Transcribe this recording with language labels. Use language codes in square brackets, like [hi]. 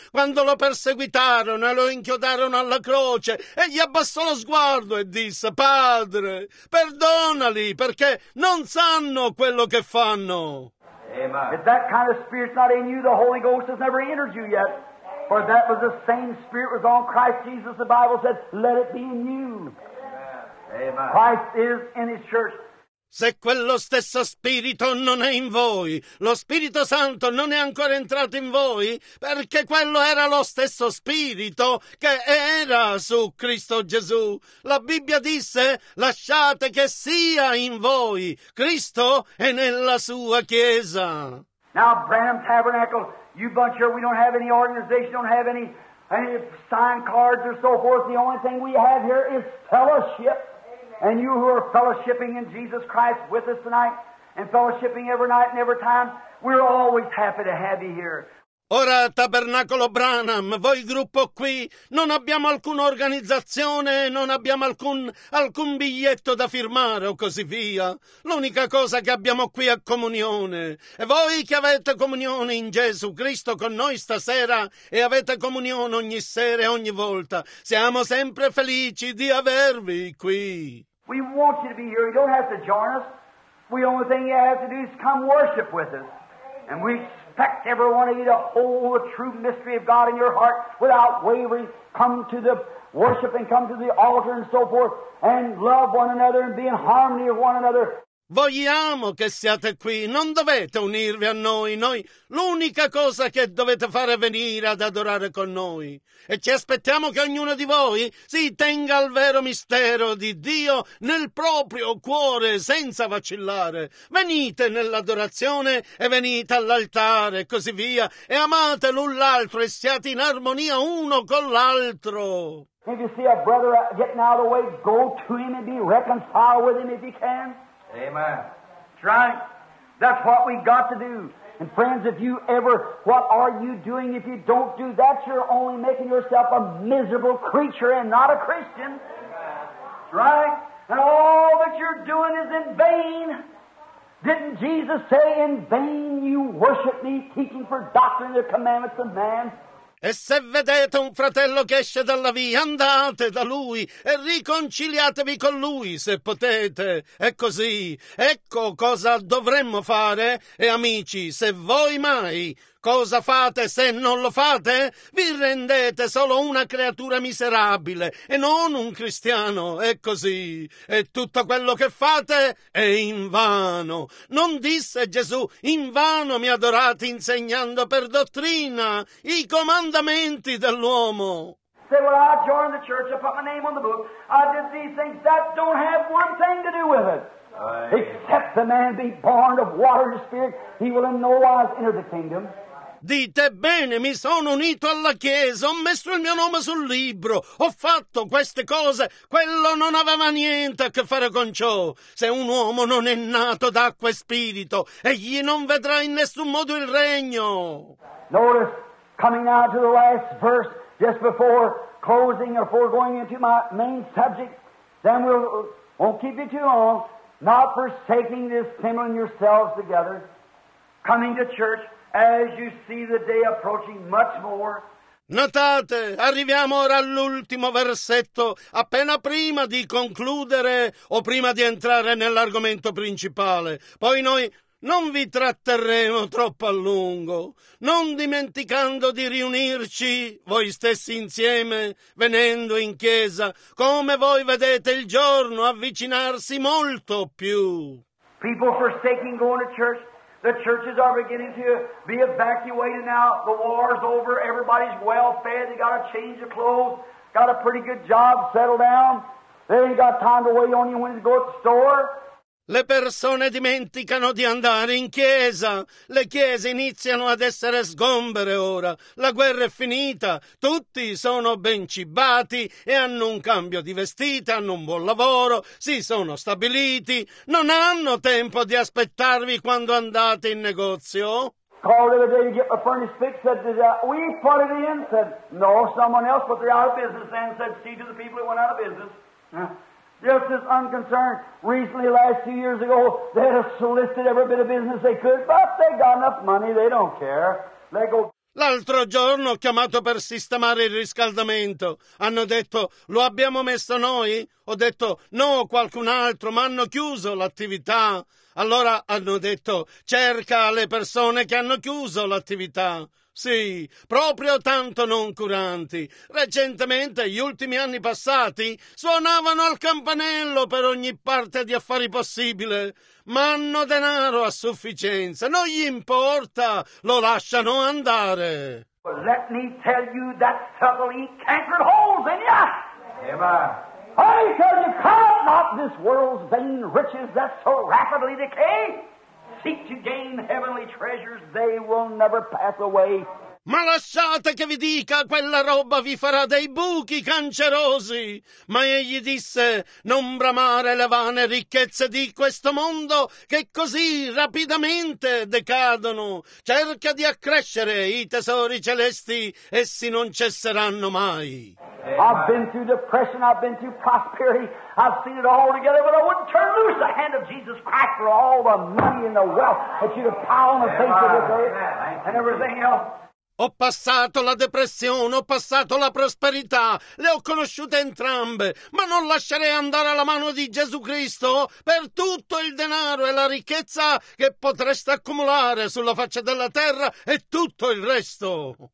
[it] Quando lo perseguitarono e lo inchiodarono alla croce, egli abbassò lo sguardo e disse, Padre, perdonali, perché non sanno quello che fanno. [en] If that kind of spirit's not in you, the Holy Ghost has never entered you yet. For that was the same spirit was on Christ Jesus. The Bible says, let it be in you. Amen. Christ is in his church. [it] Se quello stesso spirito non è in voi, lo Spirito Santo non è ancora entrato in voi, perché quello era lo stesso spirito che era su Cristo Gesù. La Bibbia disse, lasciate che sia in voi, Cristo è nella sua Chiesa. [en] Now, Branham Tabernacle, you bunch here, we don't have any organization, don't have any sign cards or so forth. The only thing we have here is fellowship. And you who are fellowshipping in Jesus Christ with us tonight, and fellowshipping every night and every time, we're always happy to have you here. [it] Ora, Tabernacolo Branham, voi gruppo qui, non abbiamo alcuna organizzazione, non abbiamo alcun biglietto da firmare o così via. L'unica cosa che abbiamo qui è comunione. E voi che avete comunione in Gesù Cristo con noi stasera e avete comunione ogni sera e ogni volta, siamo sempre felici di avervi qui. [en] We want you to be here. You don't have to join us. The only thing you have to do is come worship with us. And we expect every one of you to hold the true mystery of God in your heart without wavering. Come to the worship and come to the altar and so forth and love one another and be in harmony with one another. [it] Vogliamo che siate qui, non dovete unirvi a noi. Noi l'unica cosa che dovete fare è venire ad adorare con noi. E ci aspettiamo che ognuno di voi si tenga al vero mistero di Dio nel proprio cuore, senza vacillare. Venite nell'adorazione e venite all'altare, e così via. E amate l'un l'altro e siate in armonia uno con l'altro. [en] If you see a brother getting out of the way, go to him and be reconciled with him if you can. Amen. That's right. That's what we got to do. And friends, if you ever, what are you doing? If you don't do that, you're only making yourself a miserable creature and not a Christian. Amen. Right? And all that you're doing is in vain. Didn't Jesus say, in vain you worship me, teaching for doctrine the commandments of man? [it] E se vedete un fratello che esce dalla via, andate da lui e riconciliatevi con lui se potete. È così. Ecco cosa dovremmo fare. E amici, se voi mai, cosa fate se non lo fate? Vi rendete solo una creatura miserabile e non un cristiano. È così. E tutto quello che fate è in vano. Non disse Gesù, in vano mi adorate insegnando per dottrina i comandamenti dell'uomo. [en] say, well, I joined the church, I put my name on the book, I did these things. That don't have one thing to do with it. Except the man be born of water and spirit, he will in no wise enter the kingdom. [it] Dite bene, mi sono unito alla Chiesa, ho messo il mio nome sul libro, ho fatto queste cose, quello non aveva niente a che fare con ciò. Se un uomo non è nato d'acqua e spirito, egli non vedrà in nessun modo il regno. [en] Notice, coming out to the last verse, just before closing or before going into my main subject, then we won't keep you too long, not forsaking this assembling yourselves together, coming to church, as you see the day approaching much more. [it] Notate, arriviamo ora all'ultimo versetto, appena prima di concludere o prima di entrare nell'argomento principale. Poi noi non vi tratterremo troppo a lungo, non dimenticando di riunirci voi stessi insieme, venendo in chiesa, come voi vedete il giorno avvicinarsi molto più. [en] People forsaking going to church. The churches are beginning to be evacuated now. The war's over. Everybody's well fed. They got a change of clothes. Got a pretty good job. Settled down. They ain't got time to wait on you when you go to the store. [it] Le persone dimenticano di andare in chiesa. Le chiese iniziano ad essere sgombere ora. La guerra è finita. Tutti sono ben cibati e hanno un cambio di vestiti, hanno un buon lavoro, si sono stabiliti. Non hanno tempo di aspettarvi quando andate in negozio. [en] Called the other day to get my furnace fixed, said, did we put it in? Said, no, someone else, but they're out of business then. Said, see to the people that went out of business. Just as unconcerned, recently, last 2 years ago, they had solicited every bit of business they could, but they got enough money, they don't care. They go. [it] L'altro giorno ho chiamato per sistemare il riscaldamento. Hanno detto, lo abbiamo messo noi? Ho detto, no, qualcun altro, ma hanno chiuso l'attività. Allora hanno detto, cerca le persone che hanno chiuso l'attività. Sì, proprio tanto non curanti. Recentemente, gli ultimi anni passati, suonavano al campanello per ogni parte di affari possibile. Ma hanno denaro a sufficienza, non gli importa, lo lasciano andare. [en] Let me tell you that trouble eat cancer holes in ya! Amen. I tell you, count not this world's vain riches that so rapidly decay. Seek to gain heavenly treasures, they will never pass away. [it] Ma lasciate che vi dica, quella roba vi farà dei buchi cancerosi. Ma egli disse, non bramare le vane ricchezze di questo mondo che così rapidamente decadono. Cerca di accrescere i tessori celesti, essi non cesseranno mai. [en] I've been through depression, I've been through prosperity, I've seen it all together, but I wouldn't turn loose the hand of Jesus Christ for all the money and the wealth that you'd pile on the face of this earth and everything else. [it] Ho passato la depressione, ho passato la prosperità, le ho conosciute entrambe, ma non lascerei andare la mano di Gesù Cristo per tutto il denaro e la ricchezza che potreste accumulare sulla faccia della terra e tutto il resto.